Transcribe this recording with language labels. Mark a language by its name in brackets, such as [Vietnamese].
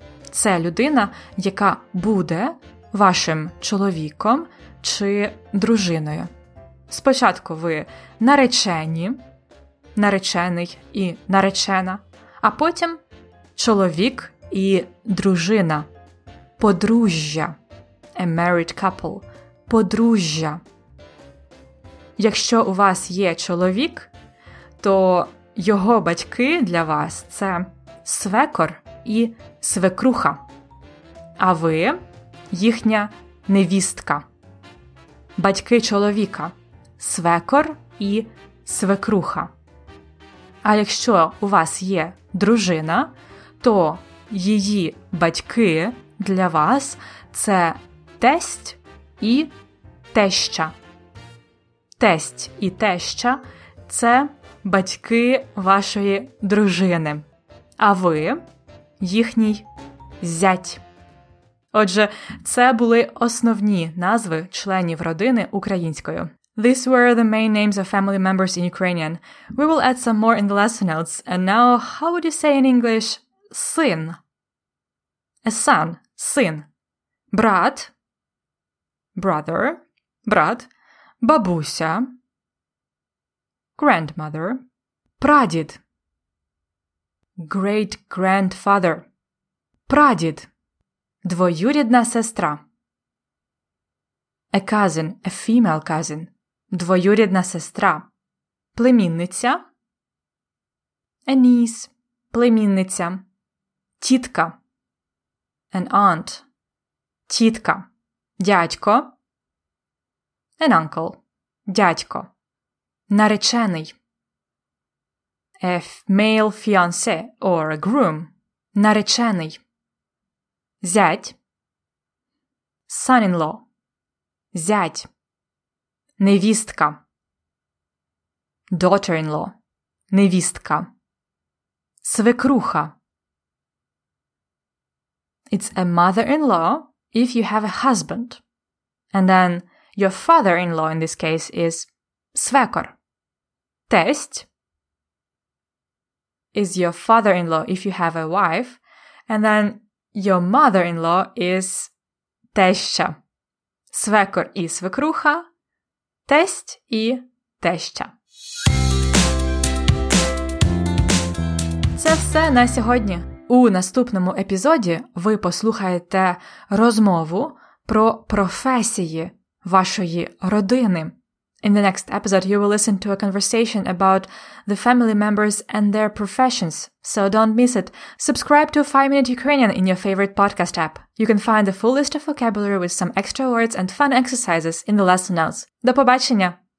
[Ukrainian] Це людина, яка буде вашим чоловіком чи дружиною. Спочатку ви наречені, наречений і наречена, а потім чоловік і дружина, подружжя. [English] A married couple – подружжя. [Ukrainian] Якщо у вас є чоловік, то його батьки для вас – це свекор і свекруха, а ви – їхня невістка. Батьки чоловіка – свекор і свекруха. А якщо у вас є дружина, то її батьки для вас – це тесть і теща. Тесть і теща – це батьки вашої дружини, а ви – їхній зять. Отже, це були основні назви членів родини українською. [English] These were the main names of family members in Ukrainian. We will add some more in the lesson notes. And now, how would you say in English – син? A son – син. Брат – [Ukrainian] brother, брат, бабуся, grandmother, прадід, [English] great-grandfather, прадід, двоюрідна сестра, a cousin, a female cousin, двоюрідна сестра, племінниця, a niece, племінниця, [Ukrainian] тітка, [English] an aunt, [Ukrainian] тітка, дядько, [English] an uncle, [Ukrainian] дядько, наречений, [English] a male fiancé or a groom, [Ukrainian] наречений, зять, [English] son-in-law, [Ukrainian] зять, невістка, [English] daughter-in-law, [Ukrainian] невістка, свекруха. [English] It's a mother-in-law if you have a husband. And then your father-in-law in this case is [Ukrainian] свекор. [English] Тесть is your father-in-law if you have a wife. And then your mother-in-law is [Ukrainian] теща. Свекор і свекруха, тесть і теща. Це все на сьогодні. У наступному епізоді ви послухаєте розмову про професії вашої родини. [English] In the next episode you will listen to a conversation about the family members and their professions. So don't miss it. Subscribe to 5-Minute Ukrainian in your favorite podcast app. You can find the full list of vocabulary with some extra words and fun exercises in the lesson notes. [Ukrainian] До побачення!